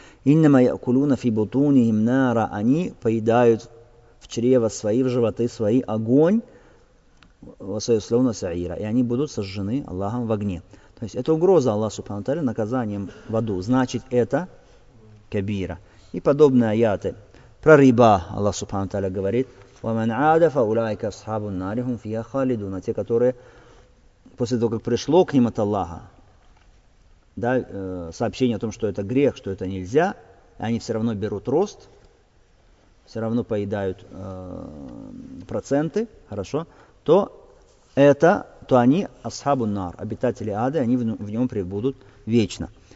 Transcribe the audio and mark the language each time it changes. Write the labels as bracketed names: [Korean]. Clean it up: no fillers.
[Arabic] «Иннама якулуна фи бутуни им нара». [Russian] Они поедают в чрево свои, в животы свои огонь, васаю словно саира, и они будут сожжены Аллахом в огне. То есть это угроза Аллаха Субхану ва Тааля наказанием в аду. Значит, это кабира. И подобные аяты. Про риба Аллах Субхану ва Тааля говорит: [Arabic] وَمَنْ عَادَ فَأُولَٰئِكَ أَصْحَابُ النَّارِ هُمْ فِيهَا خَالِدُونَ. [Russian] Те, которые после того, как пришло к ним от Аллаха, да, сообщение о том, что это грех, что это нельзя, они все равно берут рост, все равно поедают проценты, хорошо, то это, то они [Arabic] أَصْحَابُ النَّارِ, [Russian] обитатели ада, они в нем пребудут вечно.